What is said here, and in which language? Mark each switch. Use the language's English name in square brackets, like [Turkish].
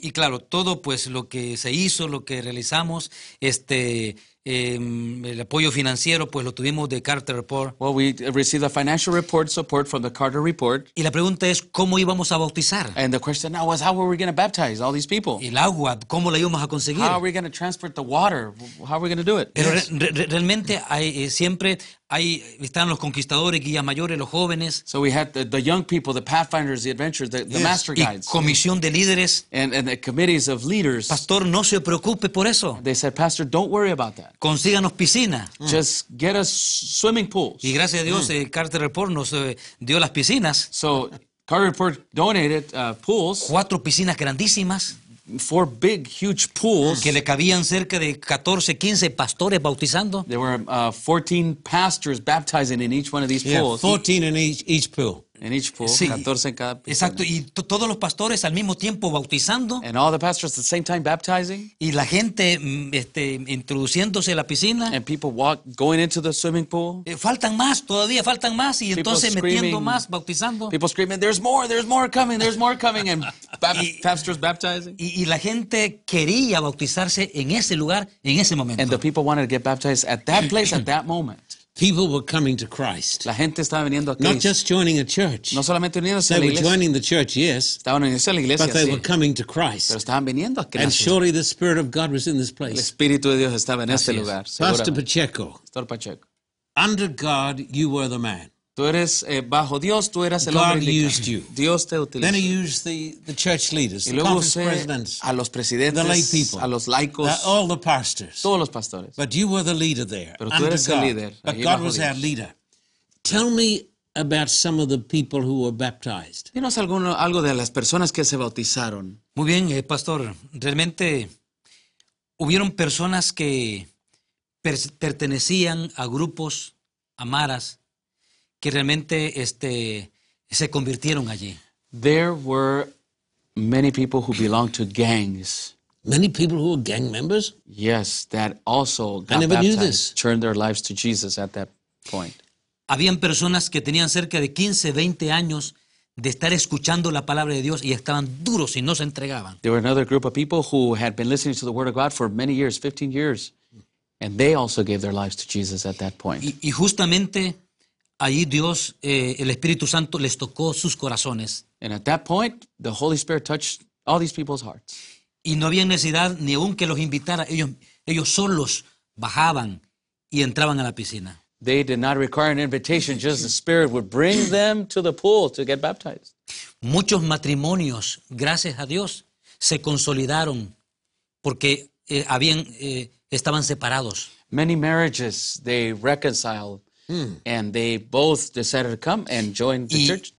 [Spanish] Y claro, todo pues lo que se hizo, lo que realizamos, el apoyo financiero pues lo tuvimos de Carter Report. [English] Well, we received a financial report support from the Carter Report. [Spanish] Y la pregunta es cómo íbamos a bautizar. [English] And the question now was how were we going to baptize all these people? [Spanish] El agua, ¿cómo la íbamos a conseguir? [English] How are we going to transport the water? How are we going to do it? [Spanish] Pero realmente hay siempre ahí están los conquistadores, guías mayores, los jóvenes. [English] So we had the young people, the pathfinders, the adventurers, the yes. master guides. [Spanish] Y comisión de líderes. [English] And the committees of leaders. [Spanish] Pastor, no se preocupe por eso. [English] They said, Pastor, don't worry about that. [Spanish] Consíganos piscinas. [English] Just get us swimming pools. [Spanish] Y gracias a Dios, Carter Report nos dio las piscinas. [English] So Carter Report donated pools. [Spanish] Cuatro piscinas grandísimas. [English] Four big, huge pools. [Spanish] Que le cabían cerca de 14, 15 pastores bautizando. [English] There were 14 pastors baptizing in each one of these pools. 14 in each pool. In each pool, [Spanish] sí, 14 en cada pool. Exacto, y todos los pastores al mismo tiempo bautizando. [English] And all the pastors at the same time baptizing. [Spanish] Y la gente introduciéndose a la piscina. [English] And people going into the swimming pool. [Spanish] Faltan más, todavía faltan más, y [English] people [Spanish] entonces metiendo más, bautizando. [English] People screaming, there's more coming, and pastors baptizing. [Spanish] Y la gente quería bautizarse en ese lugar, en ese momento. [English] And the people wanted to get baptized at that place, at that moment. People were coming to Christ. [Spanish] La gente estaba viniendo a Cristo. [English] Not just joining a church. [Spanish] No solamente uniéndose a la iglesia. [English] They were joining the church, yes. [Spanish] Estaban uniéndose a la iglesia, [English] but they [Spanish] sí. [English] were coming to Christ. [Spanish] Pero estaban viniendo a Cristo. [English] And surely the Spirit of God was in this place. [Spanish] El Espíritu de Dios estaba en este lugar. Pastor Pacheco. Pastor Pacheco. [English] Under God, you were the man. [Spanish] Tú eres bajo Dios, tú eras el hombre. [English] God used you. [Spanish] Dios te utilizó. [English] Then he used the church leaders, [Spanish] y luego [English] the conference presidents, [Spanish] a los presidentes, [English] the lay people, [Spanish] a los laicos, [English] all the pastors, [Spanish] todos los pastores. [English] But you were the leader there. [Spanish] Pero tú eres el líder. [English] But God was our leader. Tell me about some of the people who were baptized. [Spanish] Dinos algo de las personas que se bautizaron. Muy bien, pastor. Realmente hubieron personas que pertenecían a grupos amaras. Que realmente se convirtieron allí. [English] There were many people who belonged to gangs. Many people who were gang members? Yes, that also got I never baptized, knew this. Turned their lives to Jesus at that point. [Spanish] Habían personas que tenían cerca de 15, 20 años de estar escuchando la palabra de Dios y estaban duros y no se entregaban. [English] There were another group of people who had been listening to the word of God for many years, 15 years, and they also gave their lives to Jesus at that point. [Spanish] Y justamente allí Dios, el Espíritu Santo les tocó sus corazones. [English] And at that point, the Holy Spirit touched all these people's hearts. [Spanish] Y no había necesidad ni aun que los invitara. Ellos solos bajaban y entraban a la piscina. [English] They did not require an invitation. Just the Spirit would bring them to the pool to get baptized. [Spanish] Muchos matrimonios, gracias a Dios, se consolidaron porque estaban separados. [English] Many marriages, they reconciled. And they both decided to come and join the church.